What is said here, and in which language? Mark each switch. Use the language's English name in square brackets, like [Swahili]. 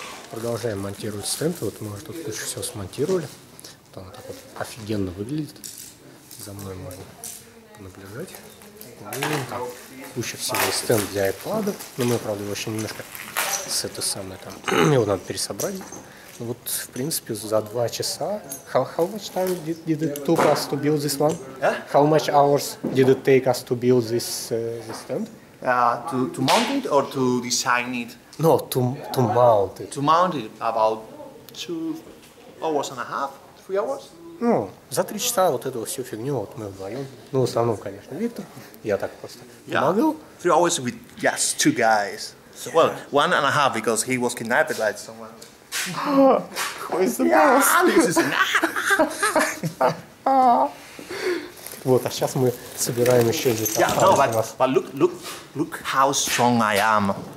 [Russian] Продолжаем монтировать стенд. Вот мы уже тут кучу всего смонтировали. Вот оно так вот офигенно выглядит. За мной можно понаблюдать. Вон там куча всего. Стенд для iPad. Но мы, правда, его еще немножко с это самое там. Его надо пересобрать. Ну, вот, в принципе, за 2 часа. [English] How much time did it took us to build this one? How much hours did it take us to build this stand? To mount it or to design it? No, to mount it. To mount it, about 2 hours and a half, 3 hours? [Russian] Ну, за 3 часа вот эту всю фигню вот мы вдвоем. Ну, в основном, конечно, Виктор. Я так просто помогал. Yeah. [English] 3 hours with just two guys. So, well, 1.5 because he was kidnapped by someone. Who is the boss? This is not. [Russian] Вот, а сейчас мы собираем еще здесь. [English] Yeah, no, but look how strong I am.